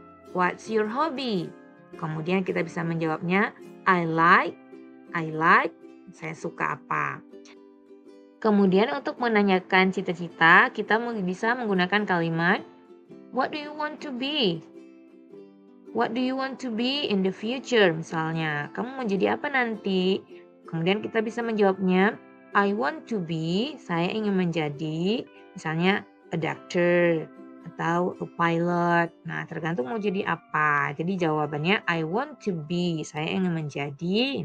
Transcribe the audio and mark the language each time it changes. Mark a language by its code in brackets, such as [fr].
[en] What's your hobby? [id] Kemudian kita bisa menjawabnya [en] I like, [id] saya suka apa. Kemudian untuk menanyakan cita-cita, kita bisa menggunakan kalimat [en] What do you want to be? What do you want to be in the future? [id] Misalnya, kamu mau jadi apa nanti? Kemudian kita bisa menjawabnya [en] I want to be, [id] saya ingin menjadi, misalnya [en] a doctor [id] atau [en] a pilot. [id] Nah, tergantung mau jadi apa. Jadi jawabannya [en] I want to be, [id] saya ingin menjadi.